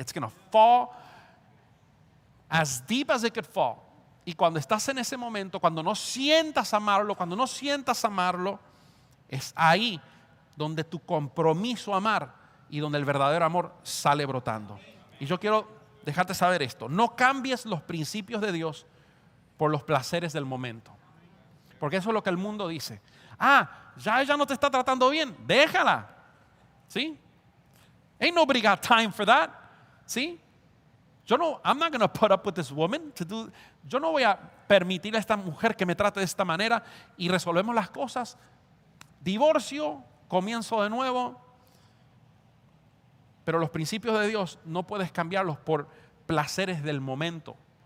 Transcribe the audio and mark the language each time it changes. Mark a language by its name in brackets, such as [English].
[English] It's going to fall as deep as it could fall. [Spanish] Y cuando estás en ese momento, cuando no sientas amarlo, cuando no sientas amarlo, es ahí donde tu compromiso a amar y donde el verdadero amor sale brotando. Y yo quiero dejarte saber esto: no cambies los principios de Dios por los placeres del momento. Porque eso es lo que el mundo dice. Ah, ya ella no te está tratando bien, déjala. ¿Sí? [English] Ain't nobody got time for that. [Spanish] ¿Sí? Yo no, [English] I'm not going to put up with this woman. [Spanish] Yo no voy a permitir a esta mujer que me trate de esta manera y resolvemos las cosas. Divorcio, comienzo de nuevo. Pero los principios de Dios no puedes cambiarlos por placeres del momento.